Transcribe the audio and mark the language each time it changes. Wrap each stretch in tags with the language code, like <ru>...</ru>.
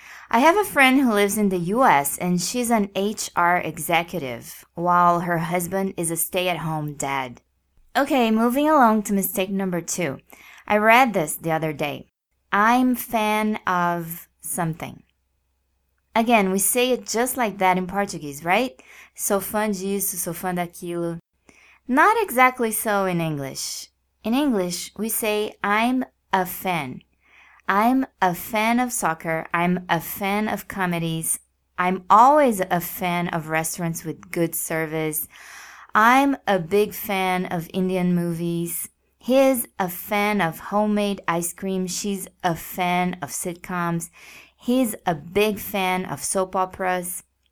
<en>I have a friend who lives in the US and she's an HR executive, while her husband is a stay-at-home dad. Okay, moving along to mistake number 2. I read this the other day. I'm fan of something. Again, we say it just like that in Portuguese, right?</en> <pt>Sou fã disso, sou fã daquilo.</pt> <en>Not exactly so in English. In English, we say I'm a fan. I'm a fan of soccer, I'm a fan of comedies, I'm always a fan of restaurants with good service, I'm a big fan of Indian movies, he's a fan of homemade ice cream, she's a fan of sitcoms, he's a big fan of soap operas.</en>